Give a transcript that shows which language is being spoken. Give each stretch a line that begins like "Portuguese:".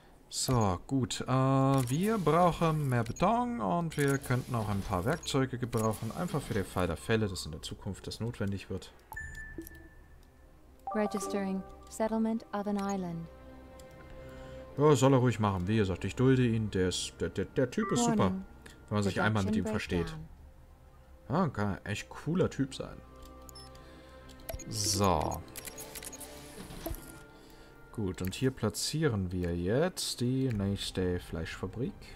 German: So, gut. Wir brauchen mehr Beton und wir könnten auch ein paar Werkzeuge gebrauchen. Einfach für den Fall der Fälle, dass in der Zukunft das notwendig wird.
English: Registering Settlement of an Island.
German: Ja, soll er ruhig machen. Wie gesagt, ich dulde ihn. Der Typ ist super, wenn man sich einmal mit ihm versteht. Ja, kann ein echt cooler Typ sein. So. Gut, und hier platzieren wir jetzt die nächste Fleischfabrik.